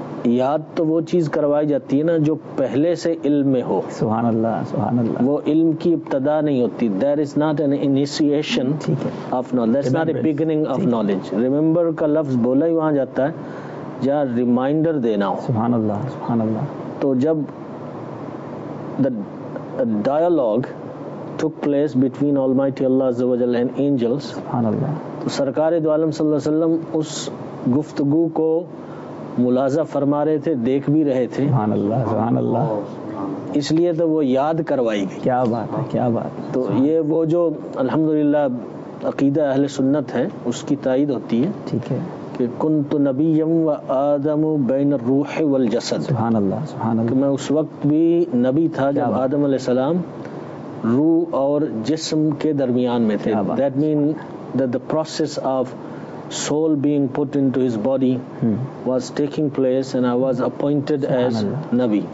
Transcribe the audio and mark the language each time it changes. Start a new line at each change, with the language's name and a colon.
Urdu: یاد تو وہ چیز کروائی جاتی ہے نا جو پہلے سے علم میں ہو. سبحان اللہ, سبحان اللہ. وہ علم کی ابتدا نہیں ہوتی.
English: There is not an initiation of knowledge. That's not a beginning of knowledge.
Urdu: Remember کا لفظ بولا ہی وہاں جاتا ہے جہاں ریمائنڈر دینا ہو. سبحان اللہ, سبحان اللہ. تو جب
English: the dialogue took place between Almighty Allah عز و جل and angels,
Urdu: سبحان اللہ, تو سرکار دو عالم صلی اللہ علیہ وسلم اس گفتگو کو ملاحظہ فرما رہے تھے, دیکھ بھی رہے تھے. سبحان اللہ, سبحان اللہ. اس لیے تو وہ یاد کروائی گئی. کیا بات ہے, کیا بات. تو یہ وہ جو الحمدللہ عقیدہ اہل سنت ہے اس کی تائید ہوتی ہے, ٹھیک ہے,
Arabic: کہ کنت نبیم و آدم بین الروح والجسد.
Urdu: سبحان اللہ, سبحان اللہ. کہ میں اس وقت بھی نبی تھا جب آدم علیہ السلام روح اور جسم کے درمیان میں تھے.
English: That mean that the process of soul being put into his body was taking place and I was appointed as Nabi.